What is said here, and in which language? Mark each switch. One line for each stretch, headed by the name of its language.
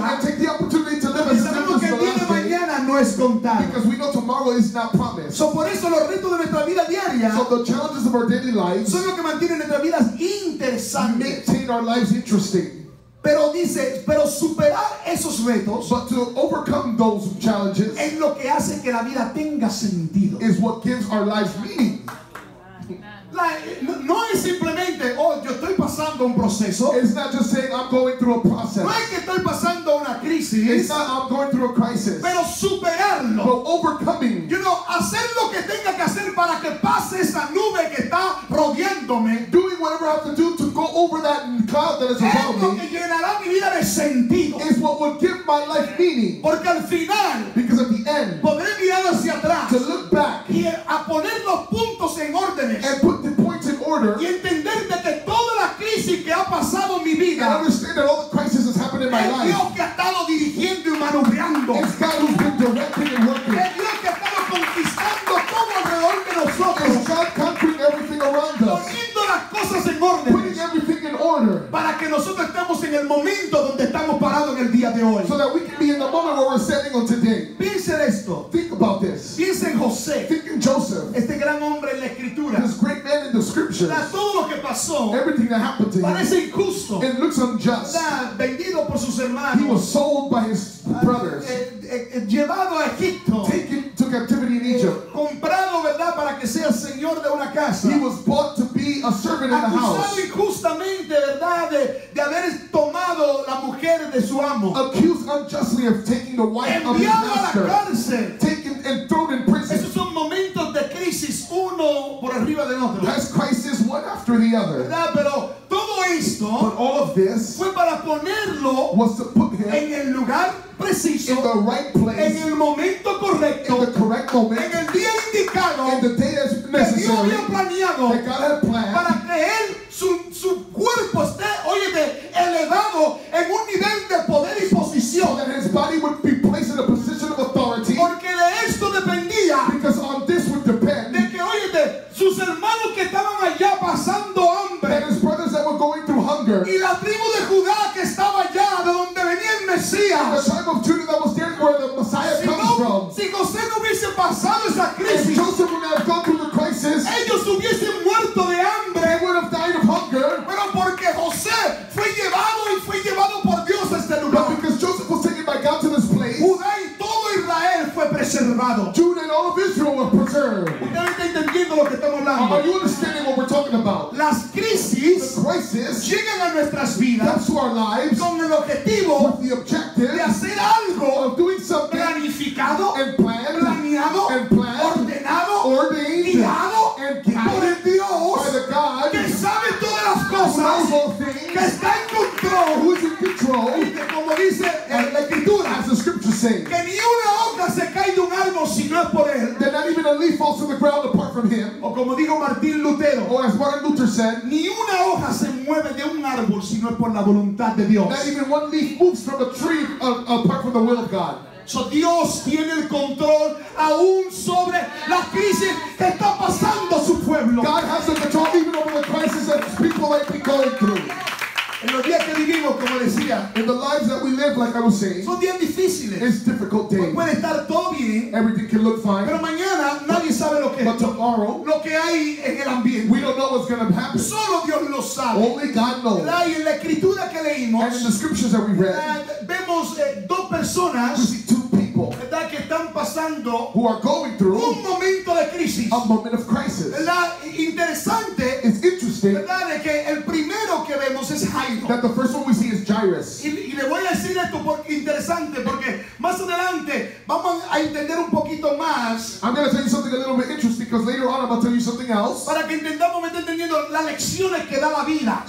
English: and take the opportunity to live as if this is the last day,
Spanish: mañana no es contar,
English: because we know tomorrow is not promised.
Spanish: So por eso los retos de nuestra vida diaria,
English: so the challenges of our daily lives,
Spanish: son lo que mantienen nuestras vidas interesantes,
English: maintain our lives interesting.
Spanish: Pero dice, pero superar esos retos,
English: but to overcome those challenges,
Spanish: es lo que hace que la vida tenga sentido,
English: is what gives our lives meaning.
Spanish: no es simplemente, oh, yo estoy pasando un proceso.
English: It's not just saying I'm going through a process.
Spanish: No es que estoy pasando una crisis.
English: It's not I'm going through a crisis.
Spanish: Pero superarlo.
English: But overcoming. You know,
Spanish: hacer lo que tenga que hacer para que pase esa nube que está rodeándome.
English: Doing whatever I have to do to go over that cloud that is around me.
Spanish: Es lo que llenará mi vida de sentido.
English: Is what will give my life meaning.
Spanish: Porque al final.
English: Because at the end.
Spanish: Podré mirar hacia atrás.
English: To look back.
Spanish: Y a poner los puntos en orden.
English: And put the points in order.
Spanish: Y entender que toda la crisis que ha pasado en mi vida.
English: And understand that all the crisis has happened in my life.
Spanish: Es Dios que ha estado dirigiendo y manubriando.
English: It's God who's been directing and working.
Spanish: Es Dios que ha estado conquistando todo alrededor de nosotros.
English: It's God conquering everything around us.
Spanish: Poniendo las cosas en orden.
English: Putting everything in order.
Spanish: Para que nosotros estemos en el momento donde estamos parados en el día de hoy.
English: So that we can be in the moment where we're standing on today.
Spanish: Piense esto.
English: Think about this.
Spanish: Piense en José.
English: Think in Joseph.
Spanish: Este gran hombre en la escritura.
English: This great man in the scriptures.
Spanish: Da todo lo que pasó.
English: Everything that happened to him.
Spanish: Parece injusto.
English: It looks unjust.
Spanish: Da vendido por sus hermanos.
English: He was sold by his brothers.
Spanish: Llevado a Egipto.
English: Taken to captivity in Egypt.
Spanish: Comprado, verdad, para que sea señor de una casa.
English: He was bought to be a servant in the house.
Spanish: Acusado injustamente, verdad, de haber tomado la mujer de su amo.
English: Accused unjustly of taking the wife of his master. Taken and thrown in prison.
Spanish: Esos son momentos de crisis uno por arriba del otro.
English: That's crisis one after the other.
Spanish: ¿Verdad? Pero todo esto,
English: but all of this,
Spanish: fue para ponerlo,
English: was to put him
Spanish: en el lugar preciso,
English: in the right place,
Spanish: en el momento correcto,
English: in the correct moment,
Spanish: en el día indicado,
English: in the day that's necessary,
Spanish: que Dios había planeado,
English: that God had planned,
Spanish: para que él su cuerpo esté, óyeme, elevado en un nivel de poder y posición,
English: so that his body would be placed in a position of authority,
Spanish: porque de esto dependía,
English: because on this would depend,
Spanish: de que óyeme, sus hermanos que estaban allá pasando hambre,
English: that his brothers that were going through hunger,
Spanish: y la tribu de Judá que estaba allá, de donde venía el Mesías,
English: the tribe of Judah that was there where the Messiah
Spanish: si
English: comes
Spanish: no,
English: from,
Spanish: si José no hubiese pasado esa crisis,
English: if Joseph would have gone through the crisis,
Spanish: ellos hubiesen muerto de hambre,
English: they would have died of hunger,
Spanish: pero porque José fue llevado y fue llevado por Dios a este lugar,
English: but because Joseph was taken by God to this place,
Spanish: Judá y todo Israel fue preservado,
English: Judah and all of Israel were preserved. Are you understanding what we're talking about?
Spanish: Las crisis,
English: the crisis,
Spanish: llegan a nuestras vidas,
English: come to our lives,
Spanish: con el objetivo,
English: with the objective,
Spanish: de hacer algo,
English: of doing something,
Spanish: planificado,
English: and planned,
Spanish: planeado,
English: and planned,
Spanish: ordenado,
English: ordained,
Spanish: guiado,
English: and guided,
Spanish: por el Dios,
English: by the God,
Spanish: que sabe todas las cosas,
English: who knows all things,
Spanish: que está en control,
English: who is in control,
Spanish: y que como dice en la escritura,
English: as the scriptures say,
Spanish: que ni una hoja se cae de un árbol si no es por él,
English: that not even a leaf falls to the ground apart from him.
Spanish: Como dijo Martín Lutero,
English: or as Martin Luther said,
Spanish: ni una hoja se mueve de un árbol si no es por la voluntad de Dios.
English: Not even one leaf moves from a tree apart from the will of God.
Spanish: So Dios tiene el control aún sobre la crisis que está pasando su pueblo.
English: God has the control even over the crisis that people might be going through.
Spanish: En los días que vivimos, como decía,
English: in the lives that we live, like I was saying,
Spanish: son días difíciles.
English: It's difficult days.
Spanish: Puede estar todo bien.
English: Everything can look fine.
Spanish: Pero mañana nadie sabe lo que es.
English: But tomorrow,
Spanish: lo que hay en el ambiente.
English: We don't know what's going to happen.
Spanish: Solo Dios lo sabe.
English: Only God knows.
Spanish: Y en la escritura que leímos,
English: and in the scriptures that we read,
Spanish: vemos dos personas.
English: We see two people.
Spanish: ¿Verdad? Que están pasando,
English: who are going through,
Spanish: un momento de crisis.
English: A moment of crisis.
Spanish: ¿Verdad? Interesante.
English: It's interesting.
Spanish: ¿Verdad? Que el primero que vemos es Jairo.
English: That the first one we see is Jairus.
Spanish: Y le voy a decir esto porque interesante, porque más adelante vamos a entender un poquito más.
English: I'm going to tell you something a little bit interesting because later on I'm going to tell you something else.
Spanish: Para que entendamos, me entendiendo las lecciones que da la vida.